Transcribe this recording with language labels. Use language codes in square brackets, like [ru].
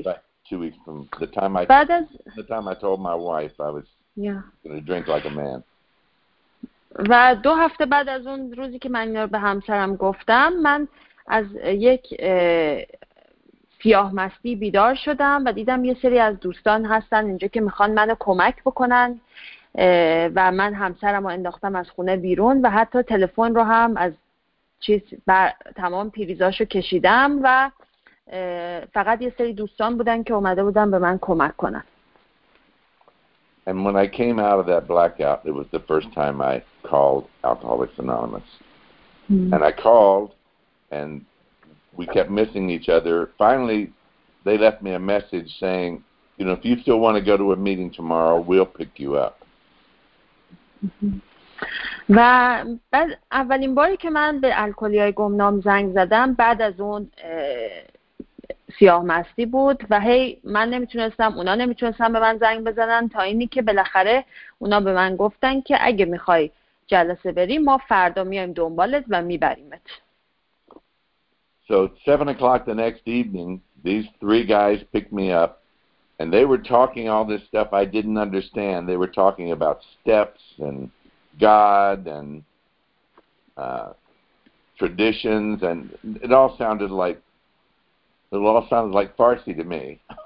[en] About 2 weeks from the time I but as, the time I told my wife I was going to drink like a man. [fa] و دو هفته بعد از اون روزی که من اینا رو به همسرم گفتم من از یک سیاه مستی بیدار شدم و دیدم یه سری از دوستان هستن اینجا که میخوان منو کمک بکنن و من همسرم رو انداختم از خونه بیرون و حتی تلفن رو هم از چیز بر تمام پریزاشو کشیدم و فقط یه سری دوستان بودن که اومده بودن به من کمک کنن. [en] And when I came out of that blackout, it was the first time I called Alcoholics Anonymous. And I called, and we kept missing each other. Finally, they left me a message saying, you know, if you still want to go to a meeting tomorrow, we'll pick you up. [fa] و بعد اولین باری که من به الکلی‌های گمنام زنگ زدم بعد از اون سیاه مستی بود و هی من نمیتونستم اونا نمیتونستم به من زنگ بزنن تا اینی که بالاخره اونا به من گفتن که اگه میخوای جلسه بری ما فردا میایم دنبالت و میبریمت. [en] So 7 o'clock the next evening these three guys picked me up and they were talking all this stuff I didn't understand. They were talking about steps and God and traditions and it all sounded like Farsi to me.